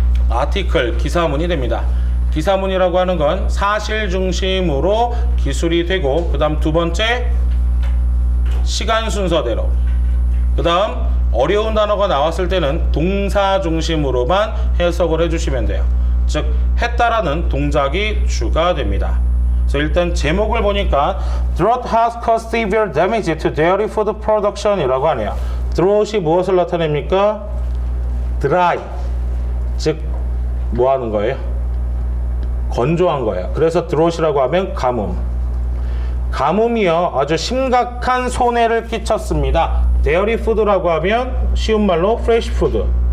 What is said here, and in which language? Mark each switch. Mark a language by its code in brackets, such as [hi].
[ko] article, 기사문이 됩니다. 기사문이라고 하는 건 사실 중심으로 기술이 되고 그 다음 두 번째 시간 순서대로 그 다음 어려운 단어가 나왔을 때는 동사 중심으로만 해석을 해주시면 돼요. 즉 했다라는 동작이 주가 됩니다. 그래서 일단 제목을 보니까 [en] Drought has caused severe damage to dairy food production [ko] 이라고 하네요. Drought이 무엇을 나타냅니까? Dry. 즉 뭐 하는 거예요? 건조한 거예요. 그래서 드롯이라고 하면 가뭄. 가뭄이요. 아주 심각한 손해를 끼쳤습니다. 데어리 푸드라고 하면 쉬운 말로 프레시 푸드.